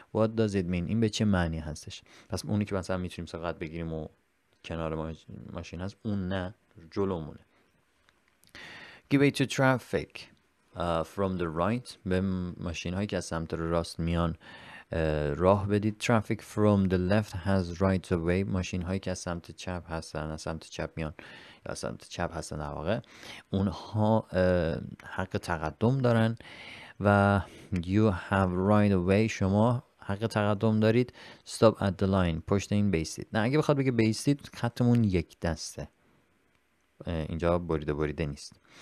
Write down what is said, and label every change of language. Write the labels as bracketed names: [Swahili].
[English] what does it mean؟ [Persian] این به چه معنی هستش؟ پس اونی که مثلا میتونیم سقط بگیریم و کنار ماشین هست، اون نه، جلومونه. [English] give way to traffic from the right. [Persian] به ماشین هایی که از سمت راست میان راه بدید. [English] traffic from the left has right of way. [Persian] ماشین هایی که از سمت چپ هستن، از سمت چپ میان یا از سمت چپ هستن در واقع، اونها حق تقدم دارن. و [English] you have right of way، [Persian] شما حق تقدم دارید. [English] stop at the line، [Persian] پشت این بیستید. نه، اگه بخواد بگه بیستید، خطمون یک دسته، اینجا بریده بریده نیست.